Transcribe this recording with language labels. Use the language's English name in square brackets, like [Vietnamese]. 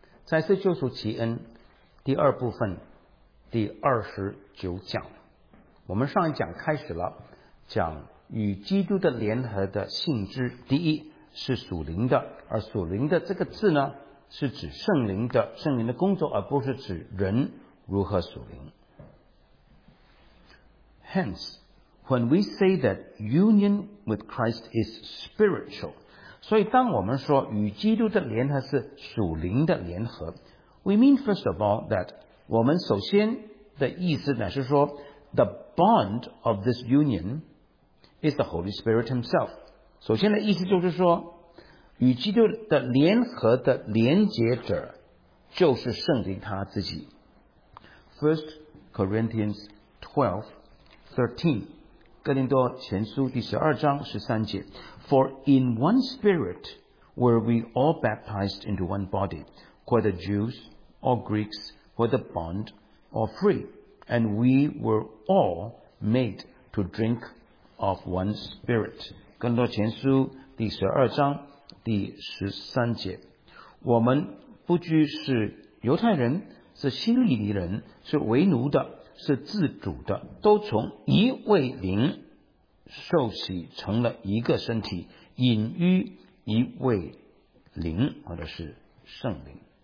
[Chinese] 再次救赎其恩第二部分第二十九讲。我们上一讲开始了，讲与基督的联合的性质，第一是属灵的，而属灵的这个字呢，是指圣灵的，圣灵的工作，而不是指人如何属灵。 [English] Hence, when we say that union with Christ is spiritual, [Chinese] 所以当我们说与基督的联合是属灵的联合， [English] we mean first of all that [Chinese] 我们首先的意思乃是说 [English] the bond of this union is the Holy Spirit himself. [Chinese] 首先的意思就是说与基督的联合的连结者就是圣灵他自己。 [English] First Corinthians 12:13, [Chinese] 哥林多前书第十二章十三节。 [English] For in one spirit were we all baptized into one body, whether Jews or Greeks, whether bond or free, and we were all made to drink of one spirit. [Chinese] 哥林多前书第十二章第十三节。我们不拘是犹太人，是希律人，是为奴的，是自主的，都从一位灵受洗成了一个身体，隐于一位灵，或者是圣灵。